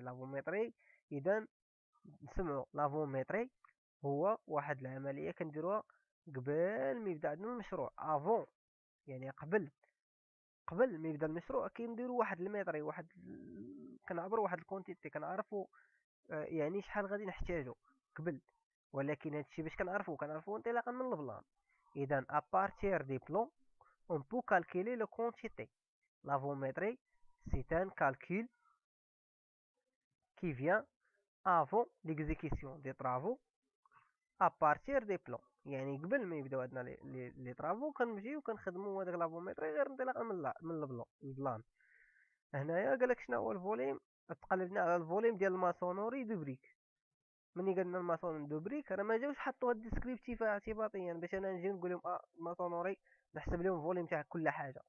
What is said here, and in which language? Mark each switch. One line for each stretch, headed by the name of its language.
Arabic: لافوميتري اذا نسمعوا، لافوميتري هو واحد العمليه كنديروها قبل ما يبدا عندنا المشروع، افون يعني قبل ما يبدا المشروع كنديروا واحد الميتري، واحد كنعبروا واحد الكونتيتي كنعرفوا يعني شحال غادي نحتاجو قبل. ولكن هذا الشيء باش كنعرفوا انطلاقا من البلان.
French: إذن à partir des plans on peut calculer la quantité. La volumétrie c'est un calcul qui vient avant l'exécution des travaux à partir des plans.
Arabic: يعني قبل ما يبداو عندنا لي طرافو كنمشيو كنخدمو هذاك لا فوميتري غير انطلاقا من البلان. هنايا قالك شنو هو الفوليم، تقلبنا على الفوليم ديال الماسونوري دو بريك. ملي قلنا الماسون دو بريك راه ما جاوش حطوا هاد الديسكريبتيف اعتباطيا باش انا نجي نقول لهم ماسونوري نحسب لهم فوليوم تاع كل حاجه.